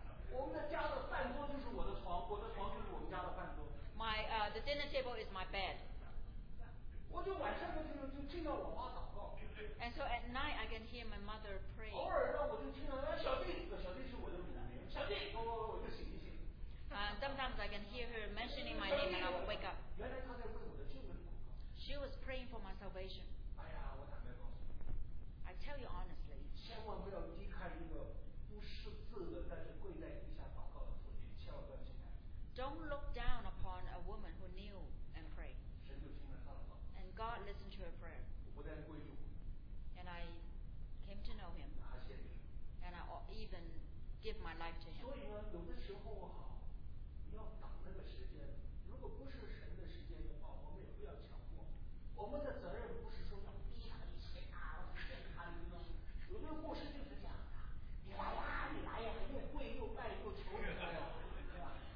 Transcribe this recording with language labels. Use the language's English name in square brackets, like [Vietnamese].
[Chinese] 我们的家的饭桌就是我的床，我的床就是我们家的饭桌。 [English] My the dinner table is my bed. [Chinese] 我就晚上就听到我妈祷告。 [English] And so at night I can hear my mother pray. [Chinese] 偶尔呢，我就听到小弟是我的闽南名，小弟，我就醒一醒。 [English] Sometimes I can hear her mentioning my name and I will wake up. [Chinese] 原来她在为我的救恩祷告。 [English] She was praying for my salvation. [Chinese] 哎呀，我坦白告诉你。 [English] I tell you honestly. [Chinese] 千万不要低看一个。不识字的，但是跪在地下祷告的妇女，千万不要轻看。 [English] Don't look down upon a woman who kneel and pray. [Chinese] 神就听了她的祷告。 [English] And God listened to her prayer. [Chinese] 我不但归主。 [English] And I came to know Him. [Chinese] 拿谢礼。 [English] And I even give my life to Him. [Chinese] 所以呢，有的时候哈，你要等那个时间。如果不是神的时间的话，我们也不要强迫。我们的责任不是说要逼他一些啊，劝他一顿。有的牧师就是这样。哎呀，你来呀，又跪又拜又求，对吧？